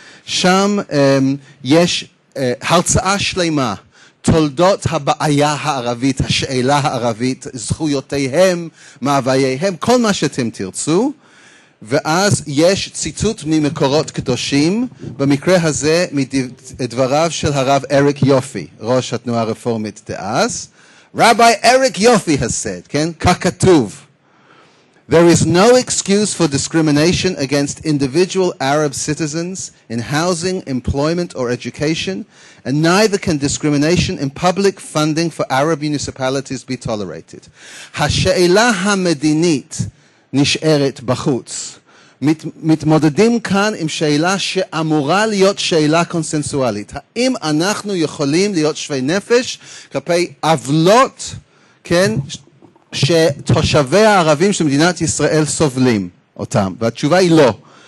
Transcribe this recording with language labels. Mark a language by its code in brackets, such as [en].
[he] שם יש הרצאה שלמה, תולדות הבעיה הערבית, השאלה הערבית, זכויותיהם, מאווייהם, כל מה שאתם תרצו, ואז יש ציטוט ממקורות קדושים, במקרה הזה מדבריו של הרב אריק יופי, ראש התנועה הרפורמית דאז, רבי אריק יופי [en] has said, [he] כן? כך כתוב, [en] There is no excuse for discrimination against individual Arab citizens in housing, employment, or education, and neither can discrimination in public funding for Arab municipalities be tolerated. [he] השאלה המדינית נשארת בחוץ. מתמודדים כאן עם שאלה שאמורה להיות שאלה קונסנסואלית. האם אנחנו יכולים להיות שווי נפש כלפי עוולות, כן? שתושבי הערבים של מדינת ישראל סובלים אותם, והתשובה היא לא.